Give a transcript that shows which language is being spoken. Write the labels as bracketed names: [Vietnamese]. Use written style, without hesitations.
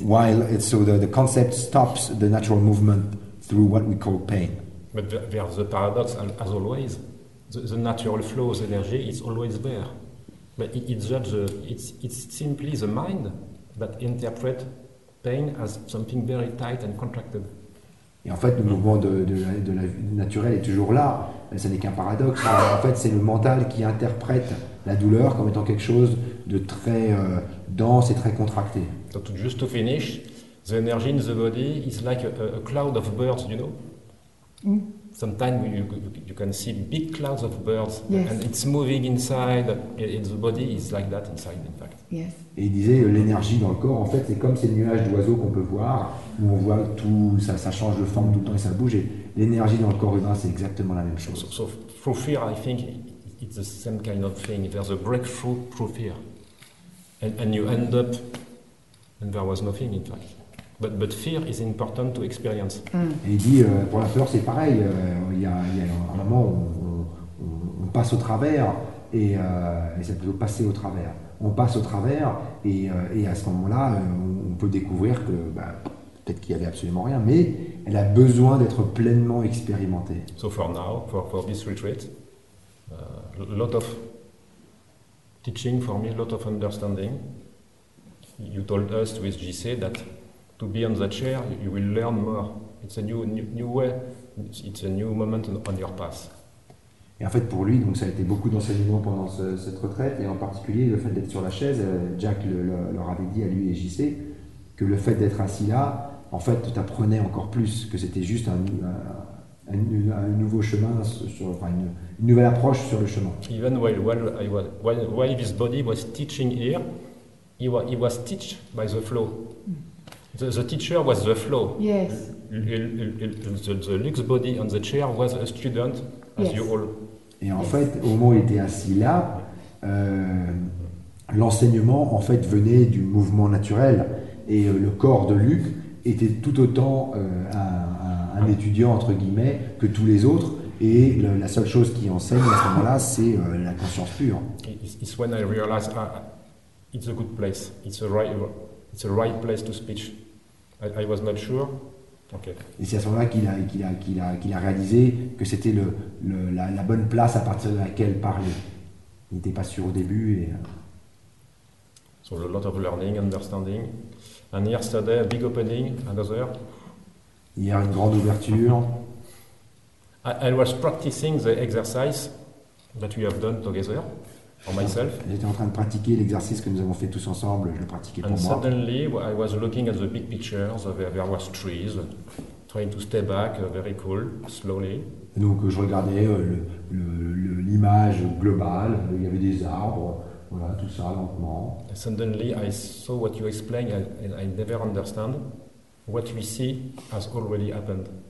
[English] While it's, so the concept stops the natural movement through what we call pain. But there's the paradox, as always, the natural flow of energy is always there. But it's simply the mind that interprets pain as something very tight and contracted. [French] Et en fait, le mouvement de la naturel est toujours là. Mais ça n'est qu'un paradoxe. En fait, c'est le mental qui interprète la douleur comme étant quelque chose de très dense et très contracté. [English] So just to finish, the energy in the body is like a cloud of birds, you know. Mm. Sometimes you can see big clouds of birds, yes. And it's moving inside, and the body is like that inside, in fact. Yes. [French] Et il disait, l'énergie dans le corps, en fait, c'est comme ces nuages d'oiseaux qu'on peut voir, où on voit tout, ça change de forme tout le temps et ça bouge, et l'énergie dans le corps humain, c'est exactement la même chose. [English] So through fear, I think it's the same kind of thing. There's a breakthrough through fear. And you end up, and there was nothing, in fact. But fear is important to experience. Mm. [French] Et il dit, pour la peur, c'est pareil. Il y a un moment où on passe au travers, et c'est plutôt passer au travers. On passe au travers, et à ce moment-là, on peut découvrir que bah, peut-être qu'il n'y avait absolument rien, mais elle a besoin d'être pleinement expérimentée. [English] So for now, for this retreat, lot of teaching for me, lot of understanding. You told us with JC that to be on that chair, you will learn more. It's a new way. It's a new moment on your path. [French] Et en fait, pour lui, donc ça a été beaucoup d'enseignements pendant cette retraite, et en particulier le fait d'être sur la chaise. Jack leur avait dit à lui et JC que le fait d'être assis là, en fait, t'apprenais encore plus, que c'était juste un nouveau chemin, une nouvelle approche sur le chemin. [English] Even while this body was teaching here, he was teached by the flow. The teacher was the flow. Yes. The luxe body on the chair was a student, as you all. [French] Et en fait, au moment où il était assis là, l'enseignement en fait venait du mouvement naturel, et le corps de Luc était tout autant un étudiant entre guillemets que tous les autres, et la seule chose qui enseigne à ce moment-là, c'est la conscience pure. [English] It's when I realized it's a good place. It's the right place to speak. I was not sure. Okay. [French] Et c'est à ce moment-là qu'il a réalisé que c'était la bonne place à partir de laquelle parler. Il n'était pas sûr au début. Et... [English] So a lot of learning, understanding. And yesterday, a big opening, another. [French] Hier, une grande ouverture. [English] I was practicing the exercise that we have done together. For myself. [French] J'étais en train de pratiquer l'exercice que nous avons fait tous ensemble, je le pratiquais [English] and [French] pour [English] suddenly, [French] moi. [English] And suddenly, I was looking at the big pictures, there was trees, trying to stay back, very cool, slowly. [French] Et donc je regardais l'image globale, il y avait des arbres, voilà, tout ça, lentement. [English] And suddenly, I saw what you explained, and I never understand, what we see has already happened.